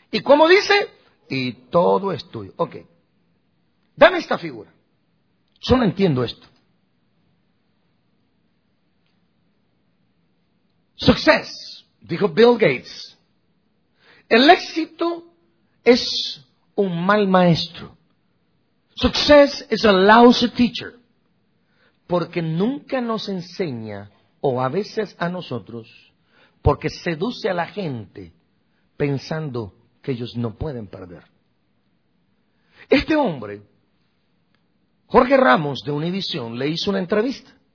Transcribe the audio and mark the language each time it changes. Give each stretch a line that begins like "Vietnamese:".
Spanish: ¿Y cómo dice? Y todo es tuyo. Ok. Dame esta figura. Yo no entiendo esto. Success, dijo Bill Gates. El éxito es un mal maestro.
English: Success is a lousy teacher.
Spanish: Porque nunca nos enseña, o a veces a nosotros, porque seduce a la gente pensando que ellos no pueden perder. Este hombre, Jorge Ramos de Univision, le hizo una entrevista.